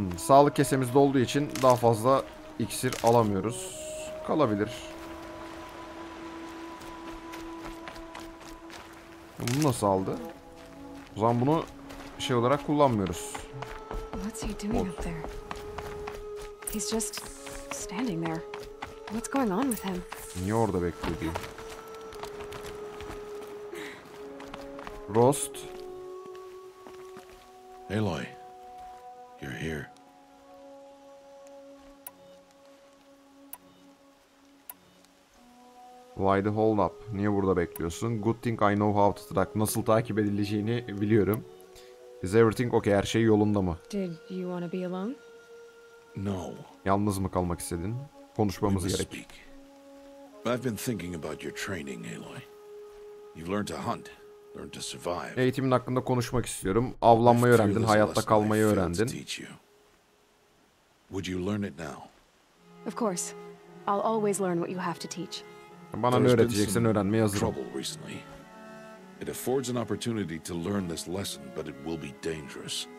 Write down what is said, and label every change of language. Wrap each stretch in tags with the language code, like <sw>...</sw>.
<tr>Sağlık kesemiz dolduğu için daha fazla iksir alamıyoruz. Kalabilir. Bunu nasıl aldı? O zaman bunu şey olarak kullanmıyoruz.</tr> <en>What's he doing up there? He's just standing there. What's going on with him?</en> <tr>Niye orada bekliyor diye.</tr> <en>Rost. Aloy. You're here. Why the hold up?</en> <tr>Niye burada bekliyorsun?</tr> <en>Good thing I know how to track.</en> <tr>Nasıl takip edileceğini biliyorum.</tr> <en>Is everything okay?</en> <tr>Her şey yolunda mı?</tr> <en>Did you want to be alone? No.</en> <tr>Yalnız mı kalmak istedin? Konuşmamız gerek.</tr> <en>I've been thinking about your training, Aloy. You've learned to hunt, learned to survive.</en> <tr>Eğitimin hakkında konuşmak istiyorum. Avlanmayı öğrendin, hayatta kalmayı öğrendin.</tr> <en>Would you learn it now? Of course. I'll always learn what you have to teach.</en> <tr>Bana ne öğreteceksen öğrenmeye hazırım.</tr> <en>It affords an opportunity to learn this lesson, but it will be dangerous.</en>